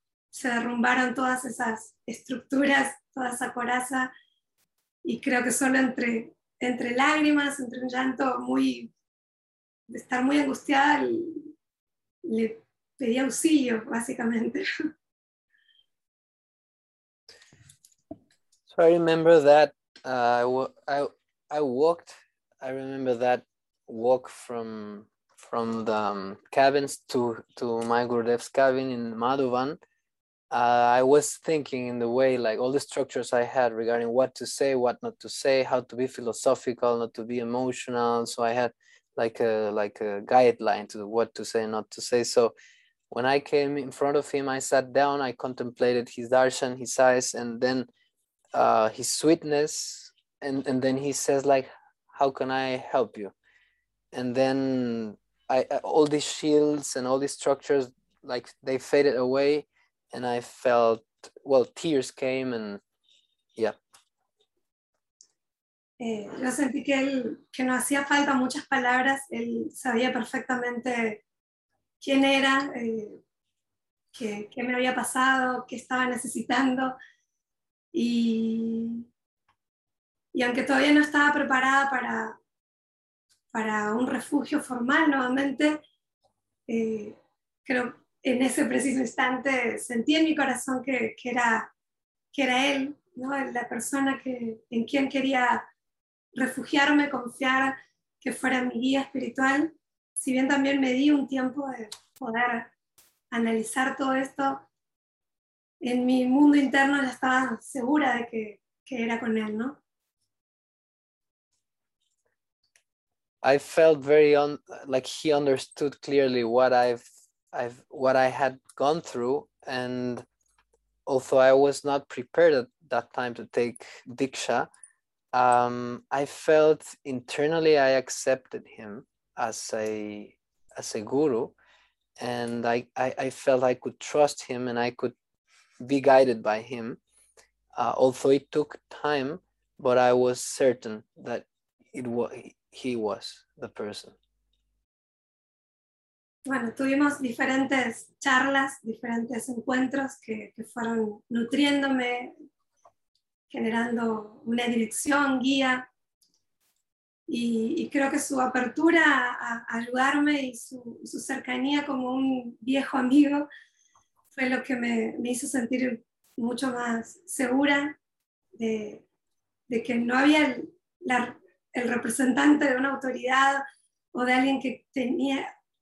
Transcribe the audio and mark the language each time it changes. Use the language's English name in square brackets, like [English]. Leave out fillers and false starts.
[Spanish] se derrumbaron todas esas estructuras, toda esa coraza, y creo que solo entre lágrimas, entre un llanto de estar muy angustiada, le pedí auxilio, básicamente. [English] So I remember that I remember that walk from the cabins to my Gurudev's cabin in Madhuban. I was thinking in the way, like all the structures I had regarding what to say, what not to say, how to be philosophical, not to be emotional. So I had like a guideline to what to say, not to say. So when I came in front of him, I sat down, I contemplated his darshan, his eyes, and then his sweetness. And then he says, like, how can I help you? And then all these shields and all these structures, like, they faded away, and I felt, well, tears came, and yeah. [Spanish] Yo sentí que él, que no hacía falta muchas palabras, él sabía perfectamente quién era, qué me había pasado, qué estaba necesitando, y aunque todavía no estaba preparada para un refugio formal nuevamente, creo en ese preciso instante sentí en mi corazón que era él, ¿no? La persona en quien quería refugiarme, confiar que fuera mi guía espiritual. Si bien también me di un tiempo de poder analizar todo esto, en mi mundo interno ya estaba segura de que era con él, ¿no? [English] I felt very like he understood clearly what I had gone through, and although I was not prepared at that time to take Diksha, I felt internally I accepted him as a guru, and I felt I could trust him and I could be guided by him. Although it took time, but I was certain that he was the person. [Spanish] Bueno, tuvimos diferentes charlas, diferentes encuentros que fueron nutriéndome, generando una dirección, guía. Y creo que su apertura a ayudarme y su cercanía como un viejo amigo fue lo que me hizo sentir mucho más segura de que no había el representante de una autoridad o de alguien que tenía...